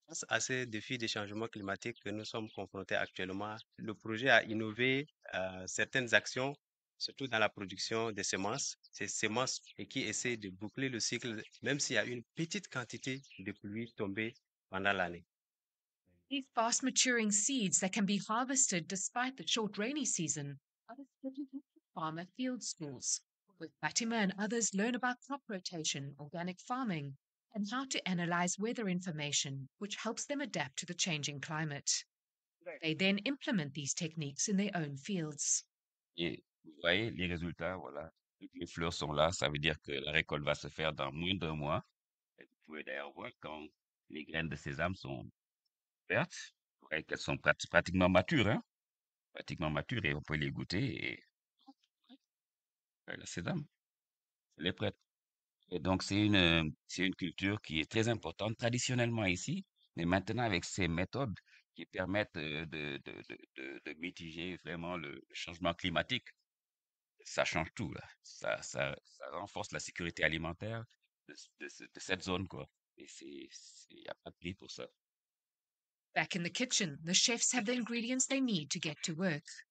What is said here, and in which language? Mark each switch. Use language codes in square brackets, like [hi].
[fr] À ces défis des changements climatiques que nous sommes confrontés actuellement, le projet a innové certaines actions, surtout dans la production des semences. Ces semences qui essaient de boucler le cycle, même s'il y a une petite quantité de pluie tombée pendant l'année. [en] These fast maturing seeds that can be harvested despite the short rainy season are distributed to farmer field schools, where Fatima and others learn about crop rotation, organic farming, and how to analyze weather information, which helps them adapt to the changing climate. They then implement these techniques in their own fields. [fr] Et vous voyez les résultats, voilà. Toutes les fleurs sont là, ça veut dire que la récolte va se faire dans moins d'un mois. Et vous pouvez d'ailleurs voir quand les graines de sésame sont vertes, vous voyez qu'elles sont pratiquement matures, hein? Pratiquement matures, et on peut les goûter. Et la sésame, elle est prête. Et donc c'est une culture qui est très importante traditionnellement ici, mais maintenant avec ces méthodes qui permettent de mitiger vraiment le changement climatique, ça change tout là. Ça renforce la sécurité alimentaire de cette zone quoi. Et c'est y a pas de prix pour ça. [en] Back in the kitchen, the chefs have the ingredients they need to get to work.